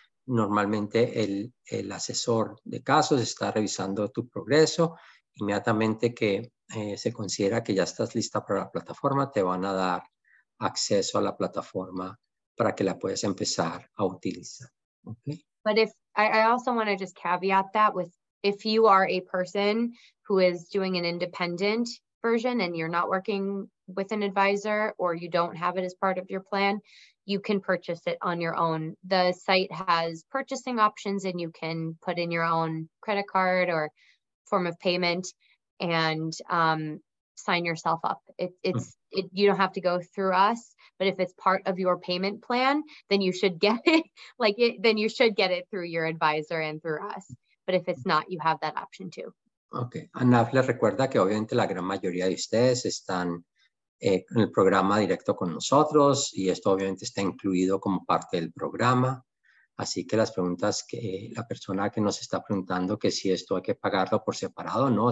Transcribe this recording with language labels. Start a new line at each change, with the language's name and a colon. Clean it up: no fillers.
Spanish: Normalmente el asesor de casos está revisando tu progreso. Inmediatamente que se considera que ya estás lista para la plataforma, te van a dar acceso a la plataforma para que la puedas empezar a utilizar.
English: Okay. But if I also want to just caveat that with, if you are a person who is doing an independent version and you're not working with an advisor or you don't have it as part of your plan, you can purchase it on your own. The site has purchasing options and you can put in your own credit card or form of payment and sign yourself up. It's you don't have to go through us, but if it's part of your payment plan, then you should get it. Then you should get it through your advisor and through us. But if it's not, you have that option too. Okay.
Spanish: ANAF les recuerda que obviamente la gran mayoría de ustedes están en el programa directo con nosotros y esto obviamente está incluido como parte del programa. Así que las preguntas que la persona que nos está preguntando, que si esto hay que pagarlo por separado, ¿no?